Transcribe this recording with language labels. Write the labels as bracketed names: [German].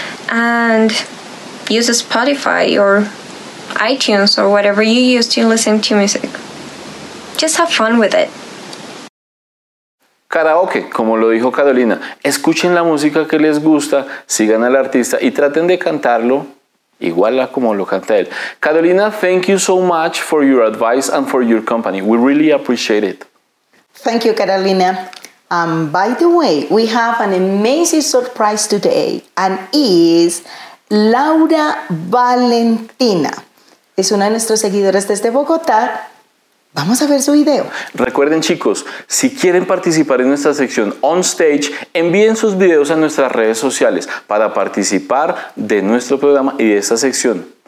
[English] And use Spotify or iTunes or whatever you use to listen to music. Just have fun with it. [Spanish] Karaoke, como lo dijo Carolina, escuchen la música que les gusta, sigan al artista y traten de cantarlo igual a como lo canta él. [English] Carolina, thank you so much for your advice and for your company. We really appreciate it. Thank you, Carolina. By the way, we have an amazing surprise today, and is Laura Valentina. [Spanish] Es una de nuestras seguidoras desde Bogotá. Vamos a ver su video. Recuerden, chicos, si quieren participar en nuestra sección On Stage, envíen sus videos a nuestras redes sociales para participar de nuestro programa y de esta sección.